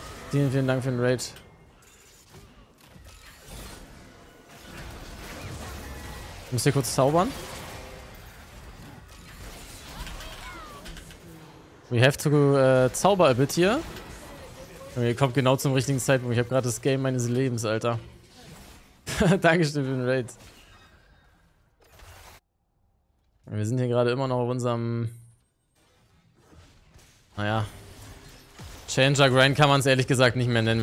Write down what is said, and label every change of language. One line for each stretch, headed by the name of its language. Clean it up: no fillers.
German: Vielen, vielen Dank für den Raid. Ich muss hier kurz zaubern.
English: We have to
German: zauber
English: a bit
German: hier. Ihr kommt genau zum richtigen Zeitpunkt. Ich habe gerade das Game meines Lebens, Alter. Dankeschön für den Raid. Wir sind hier gerade immer noch auf unserem... Naja. Challenger Grind kann man es ehrlich gesagt nicht mehr nennen.